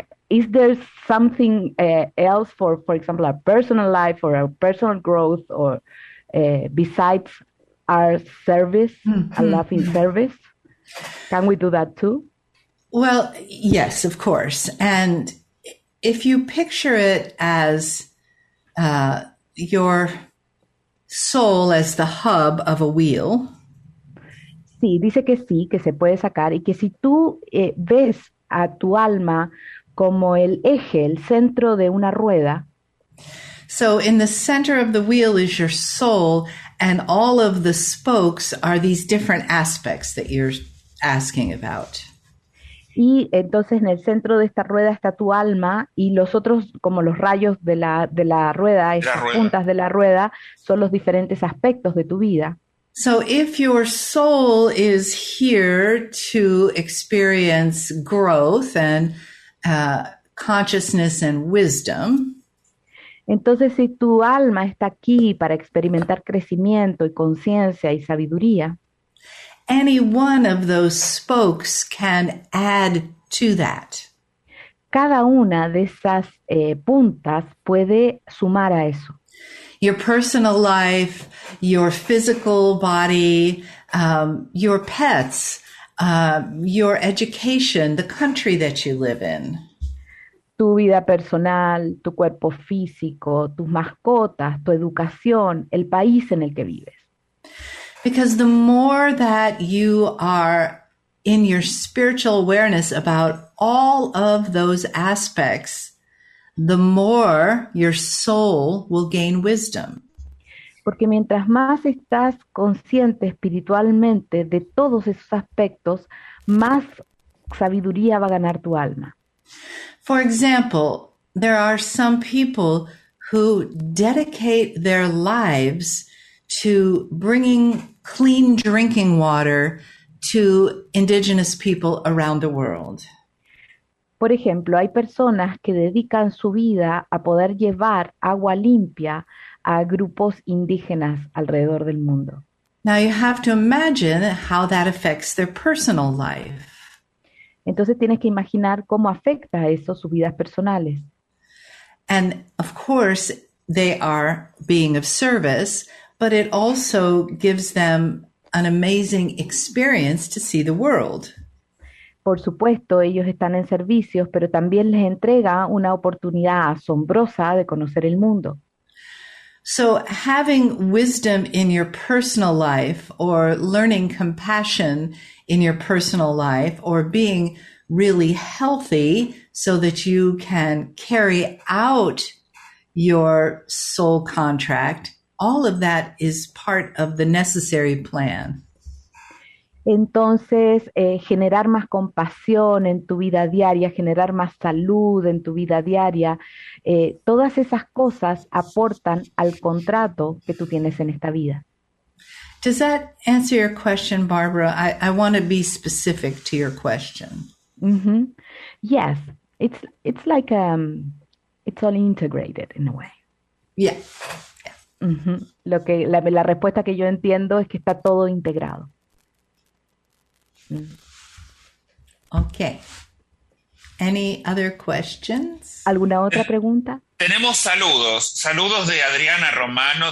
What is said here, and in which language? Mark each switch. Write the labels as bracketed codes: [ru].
[en] Is there something else for example, our personal life or our personal growth or besides our service, a loving service? Can we do that too? Well, yes, of course. And if you picture it as your soul as the hub of a wheel. [es] Sí, dice que sí, que se puede sacar y que si tú ves a tu alma como el eje, el centro de una rueda. [en] So in the center of the wheel is your soul and all of the spokes are these different aspects that you're asking about. [es] Y entonces en el centro de esta rueda está tu alma y los otros, como los rayos de la rueda, esas puntas de la rueda, son los diferentes aspectos de tu vida. [en] So if your soul is here to experience growth and consciousness and wisdom. [es] Entonces si tu alma está aquí para experimentar crecimiento y conciencia y sabiduría. [en] Any one of those spokes can add to that. [es] Cada una de esas puntas puede sumar a eso. [en] Your personal life, your physical body, your pets, your education, the country that you live in. [es] Tu vida personal, tu cuerpo físico, tus mascotas, tu educación, el país en el que vives. [en] Because the more that you are in your spiritual awareness about all of those aspects, the more your soul will gain wisdom. [es] Porque mientras más estás consciente espiritualmente de todos esos aspectos, más sabiduría va a ganar tu alma. [en] For example, there are some people who dedicate their lives to bringing clean drinking water to indigenous people around the world. [es] Por ejemplo, hay personas que dedican su vida a poder llevar agua limpia a grupos indígenas alrededor del mundo. [en] Now you have to imagine how that affects their personal life. [es] Entonces tienes que imaginar cómo afecta eso sus vidas personales. [en] And of course, they are being of service, but it also gives them an amazing experience to see the world. [es] Por supuesto, ellos están en servicios, pero también les entrega una oportunidad asombrosa de conocer el mundo. [en] So having wisdom in your personal life, or learning compassion in your personal life, or being really healthy so that you can carry out your soul contract, all of that is part of the necessary plan. [es] Entonces, generar más compasión en tu vida diaria, generar más salud en tu vida diaria, todas esas cosas aportan al contrato que tú tienes en esta vida. [en] Does that answer your question, Barbara? I want to be specific to your question. Mm-hmm. Yes, it's like it's all integrated in a way. Yeah. Mm-hmm. [es] Lo que la respuesta que yo entiendo es que está todo integrado. [en] Okay. Any other questions? [es] ¿Alguna otra pregunta? Tenemos saludos. Saludos de Adriana Romano.